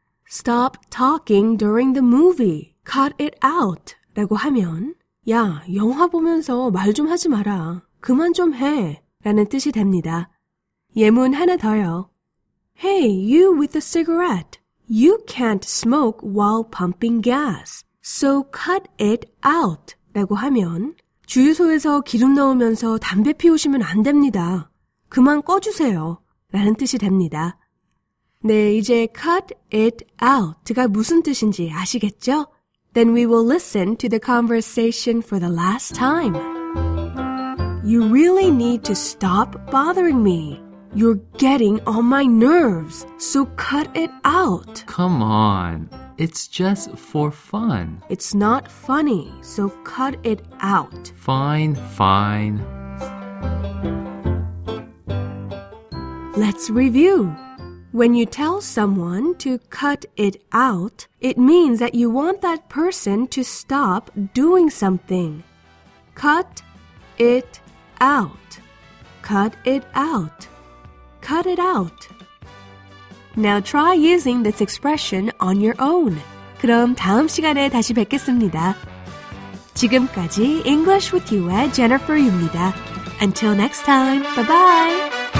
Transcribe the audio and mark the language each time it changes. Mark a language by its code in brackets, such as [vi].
[en] Stop talking during the movie. Cut it out. [ko] 라고 하면 야, 영화 보면서 말 좀 하지 마라. 그만 좀 해. 라는 뜻이 됩니다. 예문 하나 더요. [en] Hey, you with the cigarette. You can't smoke while pumping gas. So cut it out. [ko] 라고 하면 주유소에서 기름 넣으면서 담배 피우시면 안 됩니다. 그만 꺼주세요. 라는 뜻이 됩니다. 네, 이제 cut it out가 무슨 뜻인지 아시겠죠? [en] Then we will listen to the conversation for the last time. You really need to stop bothering me. You're getting on my nerves, so cut it out. Come on, it's just for fun. It's not funny, so cut it out. Fine, fine. Let's review. When you tell someone to cut it out, it means that you want that person to stop doing something. Cut it out. Out. Cut it out. Cut it out. Now try using this expression on your own. [ko] 그럼 다음 시간에 다시 뵙겠습니다. 지금까지 English with You의 Jennifer 유입니다. [en] Until next time, bye-bye!